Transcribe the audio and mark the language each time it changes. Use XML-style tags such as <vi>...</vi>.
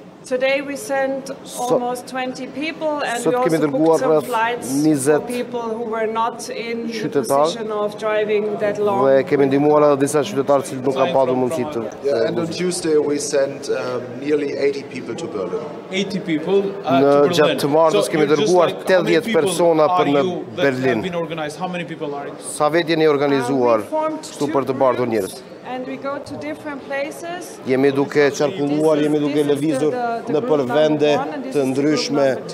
<en>Today we sent almost 20 people and we also booked some flights for people who were not in the position of driving that long.</en> <sq>Dhe kemi ndihmuar edhe disa qytetarë që nuk kanë pasur mundësi të.</sq> <en>And on Tuesday we sent nearly 80 people to Berlin. 80 people to Berlin. Në</en> <sq>gjatë të martës kemi dërguar 80 persona për në Berlin.</sq> <en>How many people are you?</en> <sq>Sa vetë jeni organizuar këtu për të bartur njerëz?</sq> <en>And we go to different places.</en> <sq>Jemi duke qarkulluar, jemi duke lëvizur në për vende të ndryshme.</sq>